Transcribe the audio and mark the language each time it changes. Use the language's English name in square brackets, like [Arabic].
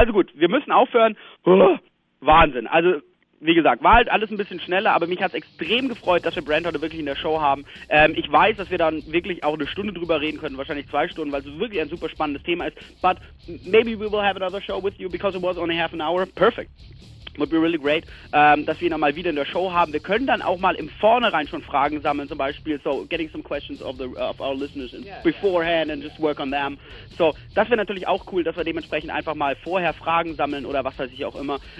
[German] Also gut, wir müssen aufhören. Oh, Wahnsinn. Also, wie gesagt, war halt alles ein bisschen schneller, aber mich hat es extrem gefreut, dass wir Brand heute wirklich in der Show haben. Ich weiß, dass wir dann wirklich auch eine Stunde drüber reden können, wahrscheinlich 2 Stunden, weil es wirklich ein super spannendes Thema ist. [English] But maybe we will have another show with you, because it was only 30 minutes. Perfect. Would be really great, [German] dass wir ihn auch mal wieder in der Show haben. Wir können dann auch mal im Vornherein schon Fragen sammeln, zum Beispiel, [English] so getting some questions of our listeners beforehand and just work on them. [German] So, das wäre natürlich auch cool, dass wir dementsprechend einfach mal vorher Fragen sammeln oder was weiß ich auch immer.